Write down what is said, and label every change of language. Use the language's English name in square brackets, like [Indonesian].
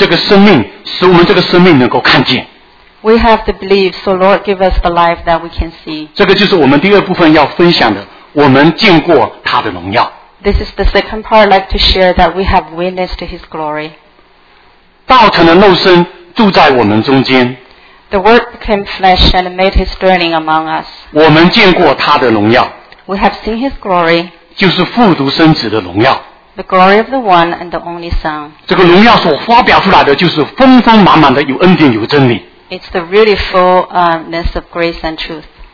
[Chinese] 然后呢,感谢主,主给我们这个生命,使我们这个生命能够看见。 [English] We have the belief, so Lord give us the life that we can see. [Chinese] 这个就是我们第二部分要分享的,我们见过他的荣耀。 [English] This is the second part I'd like to share, that we have witnessed His glory. [Chinese] 道成的肉身住在我们中间。 [English] The Word became flesh and made His dwelling among us. [Chinese] 我们见过他的荣耀。 [English] We have seen His glory. [Chinese] 就是父独生子的荣耀。 [English] The glory of the one and the only Son. [Chinese] 这个荣耀所发表出来的就是丰丰满满的有恩典有真理。 [English] It's the really fullness of grace and truth.